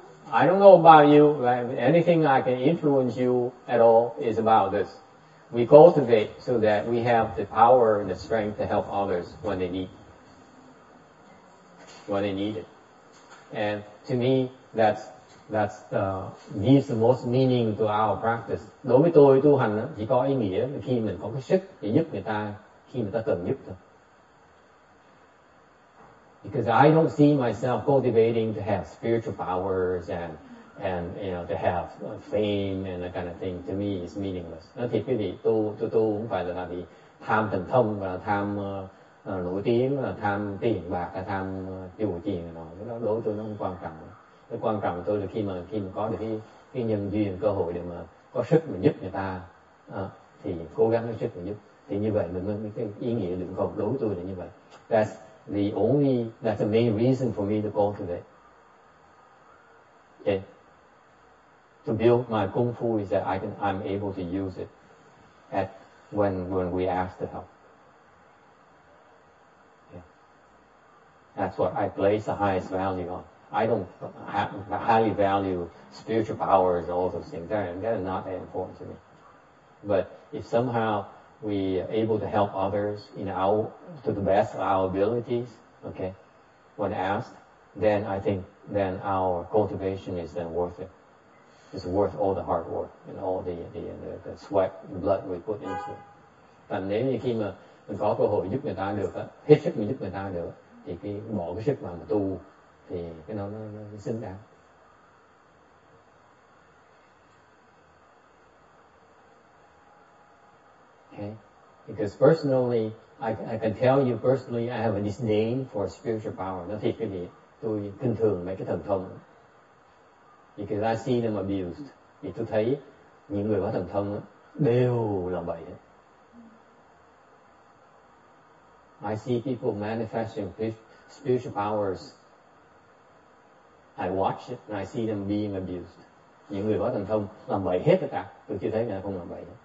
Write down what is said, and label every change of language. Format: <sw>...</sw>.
<en>I don't know about you, but anything I can influence you at all is about this. We cultivate so that we have the power and the strength to help others when they need it. And to me, that's gives the most meaning to our practice.</en> <vi>Đối với tôi, tu hành chỉ có ý nghĩa là khi mình có cái sức để giúp người ta khi người ta cần giúp thôi.</vi> <en>Because I don't see myself cultivating to have spiritual powers and you know to have fame and that kind of thing. To me, it's meaningless.</en> <vi>Nói thiệt quý vị, tu không phải là vì tham thần thông và tham nổi tiếng, tham tiền bạc, tham tiêu tiền nào. Cái đó đối tôi nó không quan trọng. Cái quan trọng của tôi là khi mà có được cái nhân duyên cơ hội để mà có sức mà giúp người ta thì cố gắng hết sức để giúp, thì như vậy mình mới cái ý nghĩa được không, đối với tôi là như vậy.</vi> <en>That's the main reason for me to go today. Okay. To build my kung fu is that I'm able to use it at when we ask the help. Yeah. That's what I place the highest value on. I don't highly value spiritual powers and all those things. They're not that important to me. But if somehow we are able to help others to the best of our abilities, okay, when asked, then I think then our cultivation is then worth it. It's worth all the hard work and all the sweat and blood we put into it.</en> <vi>Còn nếu như khi mà mình có cơ hội giúp người ta được, hết sức mình giúp người ta được, thì cái bỏ cái sức mà tu thì cái nó xứng đáng.</vi> <en>Okay, because personally, I can tell you personally, I have a disdain for spiritual power.</en> <vi>Nói thiệt quý vị, tôi khinh thường mấy cái thần thông.</vi> <en>Because I see them abused.</en> <vi>Vì tôi thấy những người có thần thông đều làm bậy.</vi> <en>I see people manifesting spiritual powers I watch it and I see them being abused.</en> <vi>Những người có thần thông làm bậy hết tất cả. Tôi chưa thấy người ta không làm bậy.</vi>